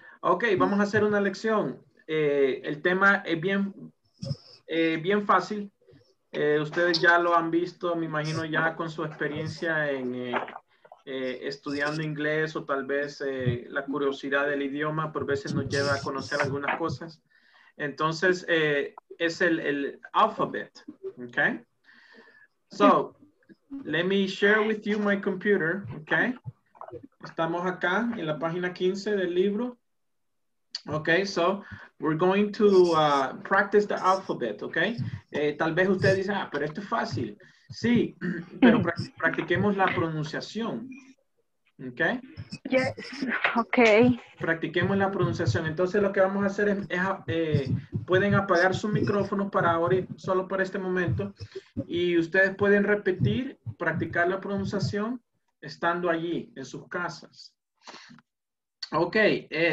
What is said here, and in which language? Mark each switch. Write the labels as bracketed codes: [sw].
[es] Ok, vamos a hacer una lección. El tema es bien, bien fácil. Ustedes ya lo han visto, me imagino, ya con su experiencia en estudiando inglés o tal vez la curiosidad del idioma, por veces nos lleva a conocer algunas cosas. Entonces, es el alphabet, okay? [en] So, let me share with you my computer, okay? [es] Estamos acá en la página 15 del libro. [en] Okay, so we're going to practice the alphabet, okay? [es] Tal vez usted dice, ah, pero esto es fácil. Sí, pero practiquemos la pronunciación, okay? [en] Yes, okay. [es] Practiquemos la pronunciación. Entonces lo que vamos a hacer es pueden apagar su micrófono para ahora, solo para este momento, y ustedes pueden repetir, practicar la pronunciación estando allí, en sus casas. Okay,